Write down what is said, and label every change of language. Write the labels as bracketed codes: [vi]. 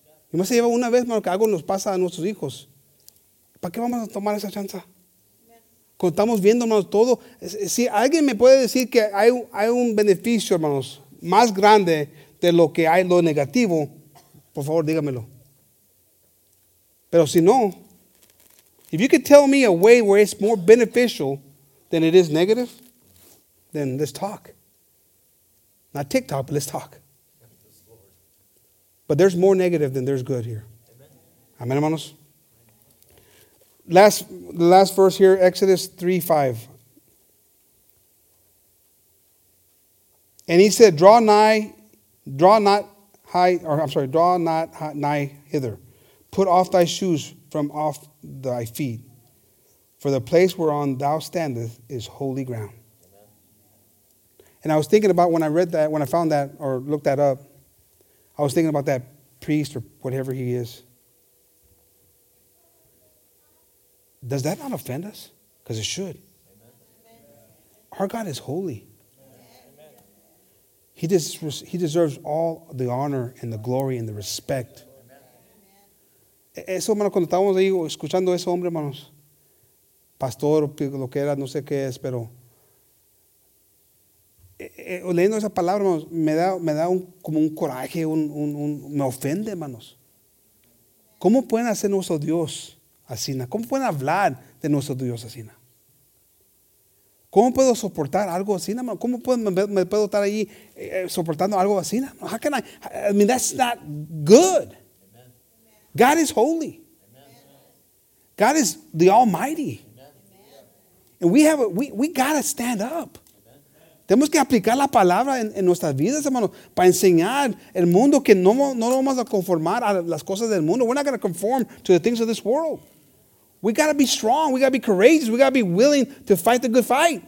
[es] Y más se lleva una vez, hermano, que algo nos pasa a nuestros hijos. ¿Para qué vamos a tomar esa chance? Cuando estamos viendo, hermanos, todo. Si alguien me puede decir que hay un beneficio, hermanos, más grande de lo que hay lo negativo, por favor, dígamelo. Pero si no, [en] if you could tell me a way where it's more beneficial than it is negative, then let's talk. Not TikTok, but let's talk. But there's more negative than there's good here. Amen, hermanos. The last verse here, Exodus 3:5. And he said, draw not nigh hither. Put off thy shoes from off thy feet. For the place whereon thou standest is holy ground. And I was thinking about when I read that, when I found that or looked that up, I was thinking about that priest or whatever he is. Does that not offend us? Because it should. Amen. Our God is holy. Amen. He deserves all the honor and the glory and the respect. [es] Eso, hermano, cuando estábamos ahí escuchando ese hombre, hermanos, pastor, lo que era, no sé qué es, pero leyendo esa palabra, hermanos, me da como un coraje, me ofende, hermanos. ¿Cómo pueden hacer nuestro Dios así? ¿Cómo pueden hablar de nuestro Dios así? ¿Cómo puedo soportar algo así? ¿Cómo puedo, me puedo estar ahí soportando algo así? [en] How can I? I mean, that's not good. God is holy. God is the Almighty. And we have we gotta stand up. [es] Tenemos que aplicar la palabra en nuestras vidas, hermano, para enseñar el mundo que no vamos a conformar a las cosas del mundo. [en] We're not gonna conform to the things of this world. We gotta be strong. We gotta be courageous. We gotta be willing to fight the good fight.